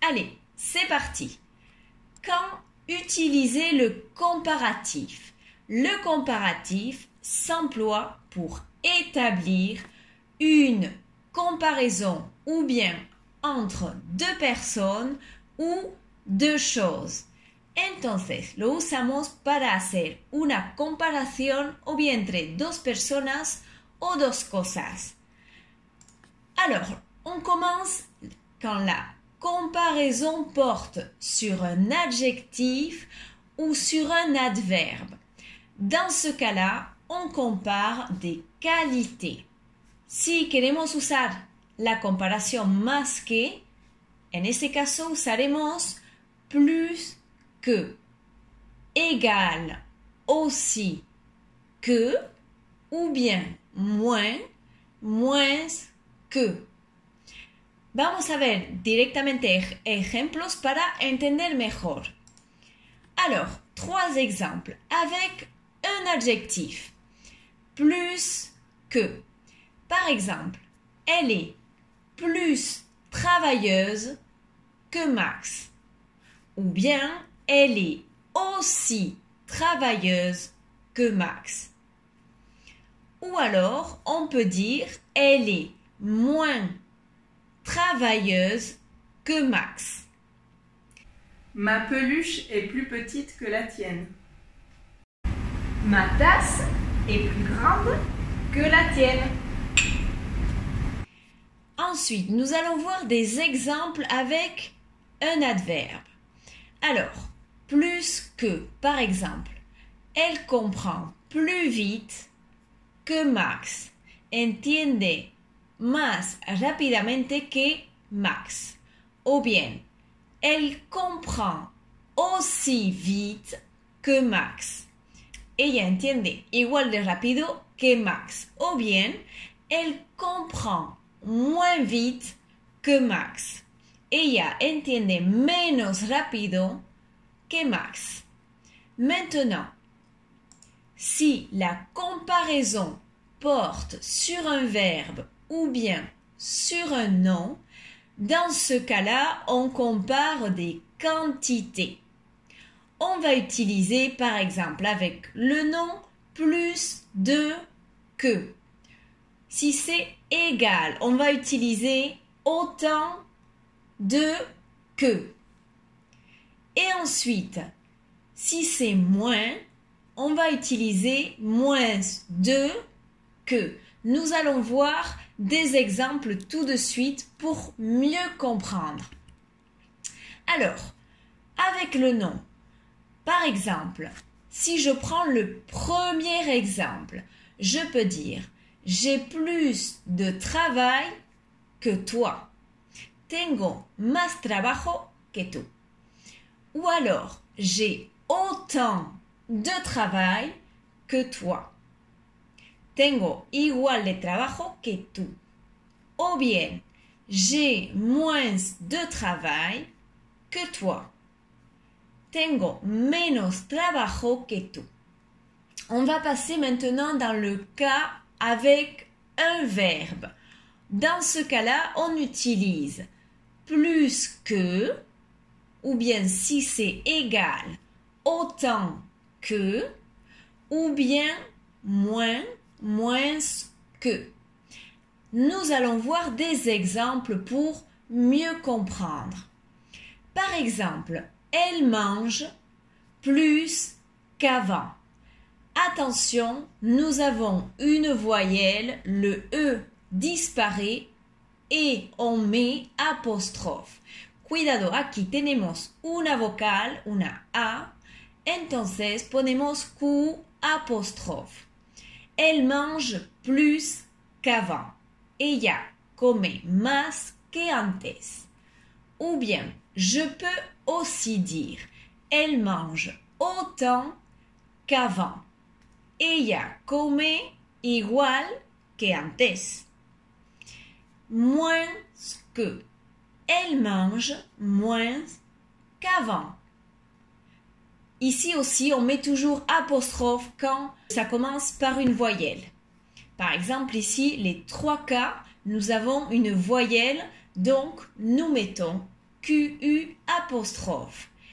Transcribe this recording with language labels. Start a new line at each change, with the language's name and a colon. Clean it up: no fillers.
French: Allez, c'est parti. Quand utiliser le comparatif? Le comparatif s'emploie pour établir une comparaison ou bien entre deux personnes ou deux choses.
Spanish: Entonces, lo usamos para hacer una comparación o bien entre dos personas o dos cosas.
French: Alors, on commence quand la comparaison porte sur un adjectif ou sur un adverbe. Dans ce cas-là, on compare des qualités.
Spanish: Si queremos usar la comparación más que, en ese caso usaremos
French: plus que, égal, aussi, que, ou bien moins, moins que.
Spanish: Vamos a ver directamente ejemplos para entender mejor.
French: Alors, trois exemples avec un adjectif. Plus que. Par exemple, elle est plus travailleuse que Max. Ou bien, elle est aussi travailleuse que Max. Ou alors, on peut dire, elle est moins travailleuse que Max. Ma peluche est plus petite que la tienne. Ma tasse est plus grande que la tienne. Ensuite, nous allons voir des exemples avec un adverbe. Alors, plus que, par exemple, elle comprend plus vite que Max.
Spanish: Entiende más rápidamente que Max.
French: Ou bien, elle comprend aussi vite que Max.
Spanish: Ella entiende igual de rápido que Max.
French: Ou bien, elle comprend moins vite que Max.
Spanish: Ella entiende menos rápido que Max.
French: Maintenant, si la comparaison porte sur un verbe ou bien sur un nom, dans ce cas-là, on compare des quantités. On va utiliser, par exemple, avec le nom plus de que. Si c'est égal, on va utiliser autant de que. Et ensuite, si c'est moins, on va utiliser moins de que. Nous allons voir des exemples tout de suite pour mieux comprendre. Alors, avec le nom, par exemple, si je prends le premier exemple, je peux dire « J'ai plus de travail que toi ».
Spanish: Tengo más trabajo que tú.
French: Ou alors, j'ai autant de travail que toi.
Spanish: Tengo igual de trabajo que tú.
French: Ou bien, j'ai moins de travail que toi.
Spanish: Tengo menos trabajo que tú.
French: On va passer maintenant dans le cas avec un verbe. Dans ce cas-là, on utilise plus que, ou bien si c'est égal, autant que, ou bien moins, moins que. Nous allons voir des exemples pour mieux comprendre. Par exemple, elle mange plus qu'avant. Attention, nous avons une voyelle, le E disparaît. Et on met apostrophe.
Spanish: Cuidado, aquí tenemos una vocal, una A. Entonces, ponemos Q apostrophe.
French: Elle mange plus qu'avant.
Spanish: Ella come más que antes.
French: Ou bien, je peux aussi dire, elle mange autant qu'avant.
Spanish: Ella come igual que antes.
French: Moins que. Elle mange moins qu'avant. Ici aussi, on met toujours apostrophe quand ça commence par une voyelle. Par exemple, ici, les trois cas, nous avons une voyelle, donc nous mettons QU apostrophe.